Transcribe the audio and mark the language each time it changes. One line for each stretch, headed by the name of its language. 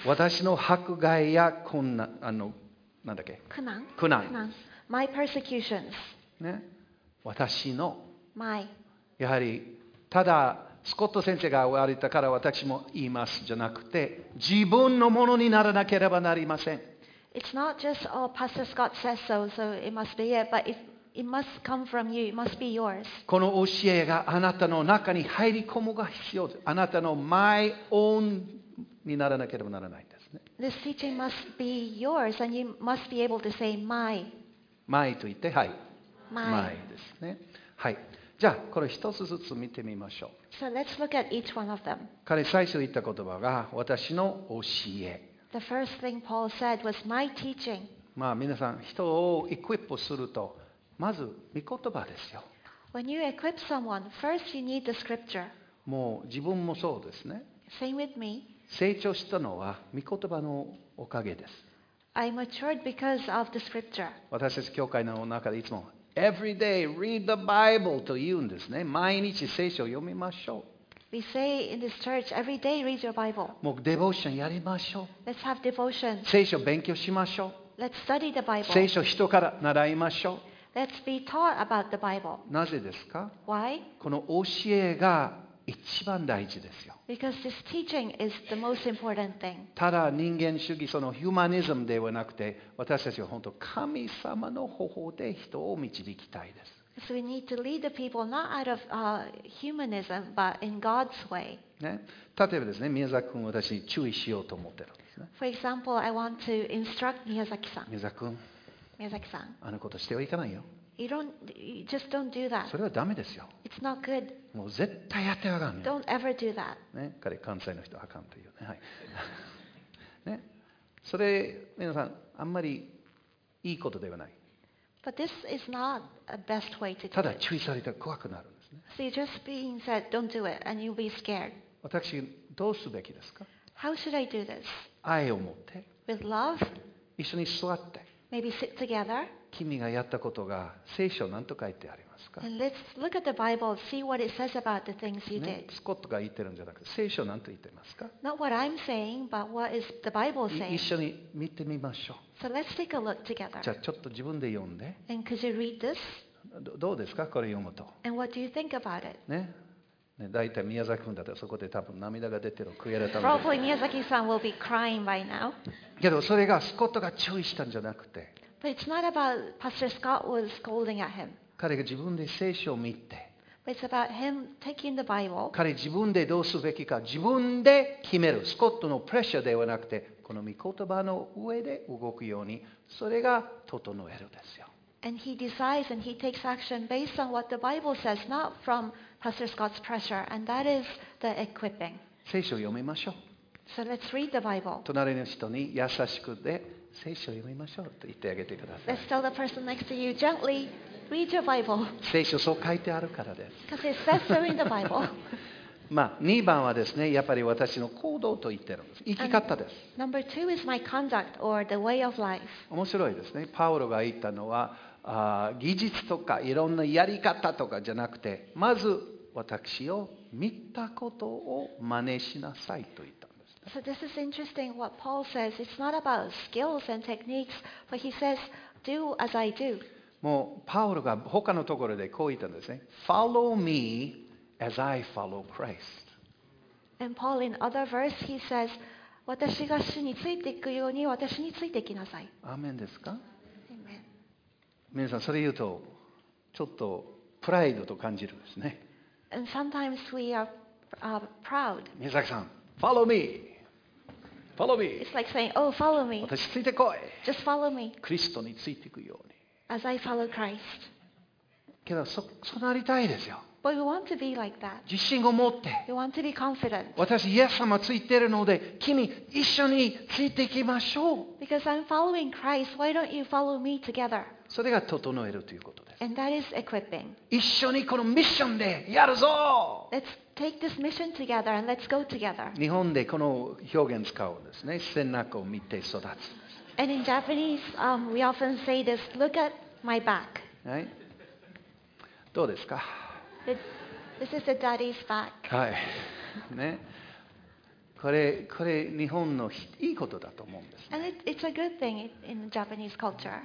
Japanese: 私の迫害や困難、あの、なんだっけ？
English: 苦難。My persecutions.
Japanese: ね。私の。
English: My.
Japanese: やはりただスコット先生が言われたから私も言いますじゃなくて、自分のものにならなければなりません。
English: It's not just all Pastor Scott says so, so it must be it, but it must come from you, it must be yours.
Japanese: この教えがあなたの中に入り込むが必要です。あなたの
English: my own
Japanese: にならなければならないんですね。
English: This teaching must be yours and you must be able to say my.
Japanese: My と言って、はい、
English: my,
Japanese: my ですね。はい、じゃあこれ一つずつ見てみましょう。
English: So let's look at each one of them.
Japanese: 彼最初言った言葉が私の教え。
English: The first thing Paul said was my teaching.
Japanese: まあ皆さん、人をエクイップするとまず御言葉ですよ。
English: When you equip someone, first you need the scripture.
Japanese: もう自分もそうですね。
English: Same with me.
Japanese: 成長したのは御言葉のおかげです。
English: I matured because of the scripture.
Japanese: 私たち教会の中でいつも
English: Every day, read the Bible
Japanese: と言うんですね。毎日聖書を読みましょう。
English: We say in this church, every day read your Bible.
Japanese: もうデボーションやりましょう。
English: Let's have devotion.
Japanese: 聖書を勉強しましょう。
English: Let's study the Bible.
Japanese: 聖書を人から習いましょう。
English: Let's be taught about the Bible.
Japanese: なぜですか？
English: Why?
Japanese: この教えが一番大事ですよ。
English: Because this teaching is the most important thing.
Japanese: ただ人間主義、そのヒューマニズムではなくて、私たちは本当神様の方法で人を導きたいです。
English: So we need to lead the people not out of humanism, but in God's way.
Japanese: ね、例えばですね、宮崎君を私に注意しようと思ってるんですね。
English: For example, I want to instruct 宮崎さん。
Japanese: 宮崎君。宮崎さん。あのことしてはいかないよ。
English: You don't, you just don't do that.
Japanese: それはダメですよ。
English: It's not good.
Japanese: もう絶対やってはがんね。
English: Don't ever do that.
Japanese: ね、彼関西の人はあかんというね。はい。ね、それ皆さんあんまりいいことではない。
English: But this is not a best way to do it.
Japanese: ただ注意されて怖くなるんですね。
English: So you're just being said, don't do it, and you'll be scared.
Japanese: 私どうすべきですか？
English: How should I do this?
Japanese: 愛を持って。
English: With love.
Japanese: 一緒に座って。
English: Maybe sit together.
Japanese: 君がやったことが聖書何と書いてありますか？
English: Let's look at the Bible, see what it says about the things you did.
Japanese: スコットが言ってるんじゃなくて、聖書何と言ってますか？
English: Not what I'm saying, but what is the Bible saying?
Japanese: 一緒に見てみましょう。
English: So let's take a look together.
Japanese: じゃあちょっと自分で読んで。
English: And could you read this?
Japanese: どうですか？これ読むと。
English: And what do you think about it?
Japanese: ね。ね、だいたい宮崎君だったらそこで多分涙が出てる悔やれたので。
English: Probably Miyazaki さん will be crying by now.
Japanese: けどそれがスコットが注意したんじゃなくて。
English: But it's not about Pastor Scott was scolding at him.
Japanese: 彼が自分で聖書を見て。
English: But it's about him taking the Bible.
Japanese: 彼自分でどうすべきか自分で決める。スコットのプレッシャーではなくて、この御言葉の上で動くように、それが整えるですよ。
English: And he decides and he takes action based on what the Bible says, not from Pastor Scott's pressure, and that is the equipping.
Japanese: 聖書を読みましょう。
English: So let's read the Bible.
Japanese: 隣の人に優しくで。聖書を読みましょうと言ってあげてください。
English: Let's tell the person next to you gently, read your Bible.
Japanese: 聖書そう書いてあるからです。
English: Because it says so in the Bible.
Japanese: まあ2番はですね、やっぱり私の行動と言ってるんです。生き方です。
English: And、number two is my conduct or the way of life.
Japanese: 面白いですね。パウロが言ったのは、技術とかいろんなやり方とかじゃなくて、まず私を見たことを真似しなさいと言った。
English: So this is interesting what Paul says. It's not about skills and techniques, but he says, do as I do.
Japanese: もうパウロが他のところでこう言ったんですね。
English: Follow me as I follow Christ. And Paul in other verse, he says,
Japanese: 私が主についていくように私についていきなさい。アーメンですか？
English: Amen.
Japanese: 皆さんそれ言うとちょっとプライドと感じるんですね。
English: And sometimes we are proud. 宮崎さん。Follow me. Follow me. It's like saying, "Oh, follow me."
Japanese: 私ついてこい。
English: Just follow me.
Japanese: クリストについていくように。
English: As I follow Christ.
Japanese: けど、そうなりたいですよ。
English: But we want to be like that.
Japanese: 自信を持って。
English: We want to be confident.
Japanese: 私、イエス様ついてるので、君一緒についていきましょう。
English: Because I'm following Christ, why don't you follow me together?
Japanese: それが整えるということです。
English: And that is equipping.
Japanese: 一緒にこのミッションでやるぞ。
English: Let's take this mission together and let's go together.
Japanese: 日本でこの表現使うんですね。背中を見て育つ。
English: And in Japanese, we often say this, look at my back.
Japanese: はい。どうですか？
English: This is the daddy's back.
Japanese: はい。ね。これ日本のいいことだと思うんですね。
English: And it's a good thing in Japanese culture.